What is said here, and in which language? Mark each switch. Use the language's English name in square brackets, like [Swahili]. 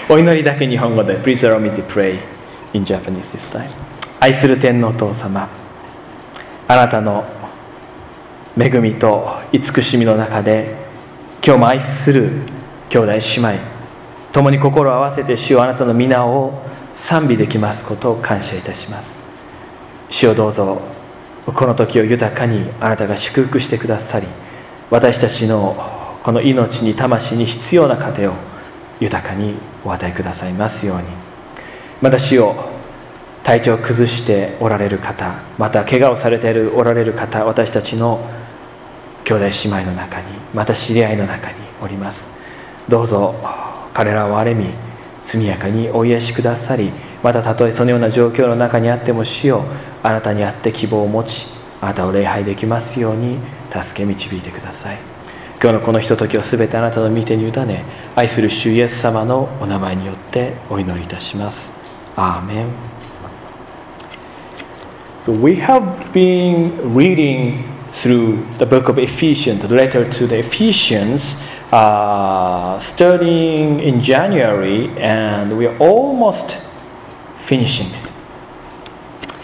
[Japanese] お祈りだけ日本語で、 [English] Please allow me to pray in Japanese this time. [Japanese] 愛する天のお父様、あなたの恵みと慈しみの中で、今日も愛する兄弟姉妹、共に心を合わせて主をあなたの御名を賛美できますことを感謝いたします。主をどうぞ、この時を豊かにあなたが祝福してくださり、私たちのこの命に魂に必要な糧を豊かにお与えくださいますように。また主よ、体調を崩しておられる方、また怪我をされているおられる方、私たちの兄弟姉妹の中に、また知り合いの中におります。どうぞ彼らを憐れみ、速やかにお癒しくださり、またたとえそのような状況の中にあっても、主よ、あなたにあって希望を持ち、あなたを礼拝できますように助け導いてください。今日のこのひとときをすべてあなたの御手に委ね、愛する主イエス様のお名前によってお祈りいたします。アーメン。 [English] So we have been reading through the book of Ephesians, the letter to the Ephesians, starting in January, and we are almost finishing it.